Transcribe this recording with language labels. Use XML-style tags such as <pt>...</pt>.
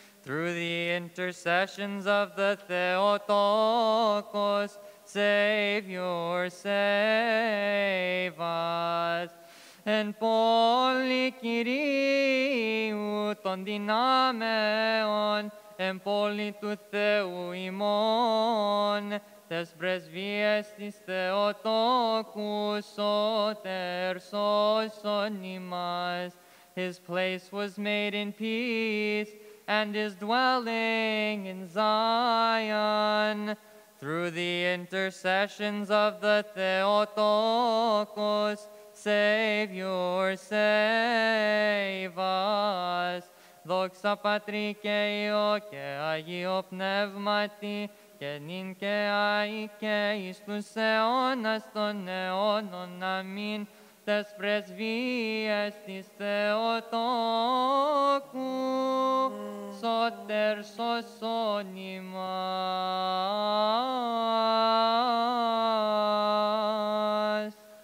<en>Through the intercessions of the Theotokos, Savior, save us.</en> <el>Εν πόλη Κυρίου των δυνάμεων, εν πόλη του Θεού ημών, τες πρεσβείες της Θεοτόκου σώτερ σώσον ημάς.</el> <en>His place was made in peace, and is dwelling in Zion. Through the intercessions of the Theotokos, Savior, save us.</en> <el>Δόξα Πατρί και Υιό και Άγιο Πνεύματι, και νυν και αΐ και εις τους αιώνας των αιώνων. Αμήν. Τες πρεσβείες της Θεοτόκου σώτερ σώσον ημάς.</el>